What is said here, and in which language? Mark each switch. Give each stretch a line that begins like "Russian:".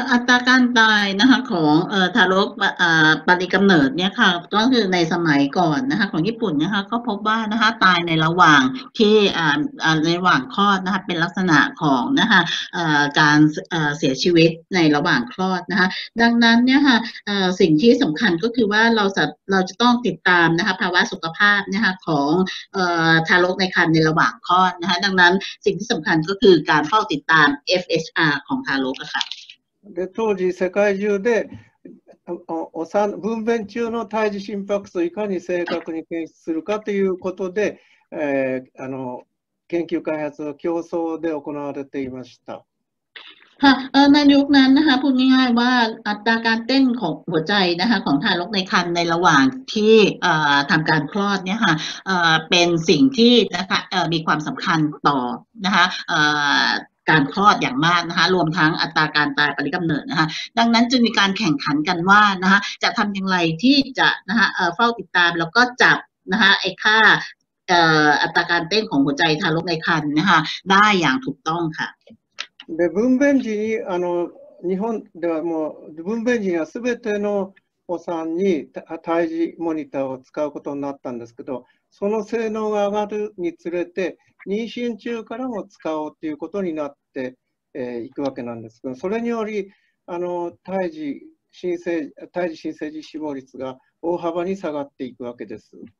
Thai: อัตราการตายนะคะของทารกปริกำเนิดเนี่ยค่ะก็คือในสมัยก่อนนะคะของญี่ปุ่นนะคะก็พบว่านะคะตายในระหว่างที่ในระหว่างคลอดนะคะเป็นลักษณะของนะคะการเสียชีวิตในระหว่างคลอดนะคะดังนั้นเนี่ยค่ะสิ่งที่สำคัญก็คือว่าเราจะต้องติดตามนะคะภาวะสุขภาพนะคะของทารกในครรภ์ในระหว่างคลอดนะคะดังนั้นสิ่งที่สำคัญก็คือการเฝ้าติดตาม FHR ของทารกค่ะ
Japanese: で当時世界中で分娩中の胎児心拍数をいかに正確に検出するかということで、研究開発の競争で行われていました。
Thai: ในยุคนั้นนะคะพูดง่ายๆว่าอัตราการเต้นของหัวใจนะคะของทารกในครรภ์ในระหว่างที่ทำการคลอดเนี่ยค่ะเป็นสิ่งที่นะคะมีความสำคัญต่อนะคะการคลอดอย่างมากนะคะรวมทั้งอัตราการตายปริกำเนิดนะคะดังนั้นจึงมีการแข่งขันกันว่านะคะจะทำอย่างไรที่จะนะคะเฝ้าติดตามแล้วก็จับนะคะไอ้ค่าอัตราการเต้นของหัวใจทารกในครรภ์นะคะได้อย่างถูกต้องค่ะ
Japanese: で分娩時に日本ではもう分娩時には全てのお産に胎児モニターを使うことになったんですけど、その性能が上がるにつれて妊娠中からも使おうということになっていくわけなんですけど、それにより胎児新生児死亡率が大幅に下がっていくわけです。